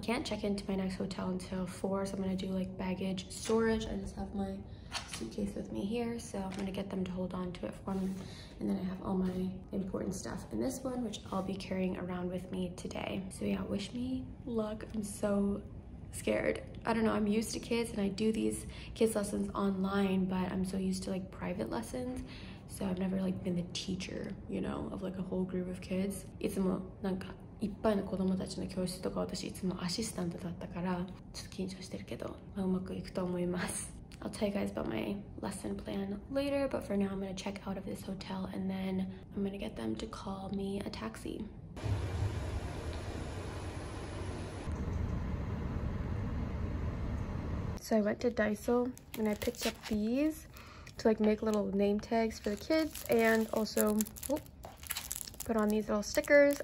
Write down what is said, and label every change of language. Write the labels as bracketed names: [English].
[English] Can't check into my next hotel until 4, so I'm gonna do like baggage storage. I just have my suitcase with me here, so I'm gonna get them to hold on to it for me, and then I have all my important stuff in this one which I'll be carrying around with me today. So yeah, wish me luck. I'm so scared. I don't know, I'm used to kids and I do these kids lessons online, but I'm so used to like private lessons. So I've never like been the teacher, you know, of like a whole group of kids. [Japanese] いつもなんかいっぱいの子供たちの教室とか私いつもアシスタントだったから、ちょっと緊張してるけど、まあ、うまくいくと思います。 [English] I'll tell you guys about my lesson plan later, but for now I'm gonna check out of this hotel and then I'm gonna get them to call me a taxi. So I went to Daiso and I picked up these to like make little name tags for the kids and also put on these little stickers.